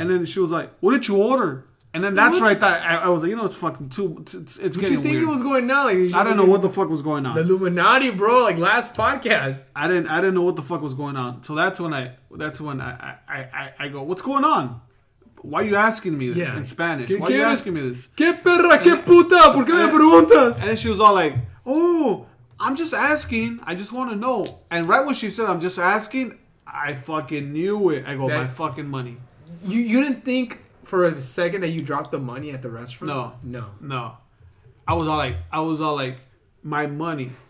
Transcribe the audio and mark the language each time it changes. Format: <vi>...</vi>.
<en>And then she was like, what did you order? And then that's right. I was like, you know, it's fucking too. It's getting weird. What you think weird. It was going on? Like, I don't know what the fuck was going on. The Illuminati, bro. Like last podcast. I didn't know what the fuck was going on. So I go, what's going on? Why are you asking me this in Spanish? Why are you asking me this?</en> <es>Qué perra, qué puta, ¿por qué me preguntas?</es> <en>And she was all like, oh, I'm just asking. I just want to know. And right when she said, I'm just asking, I fucking knew it. I go, my fucking money. You didn't think for a second that you dropped the money at the restaurant? No. I was all like, my money.</en>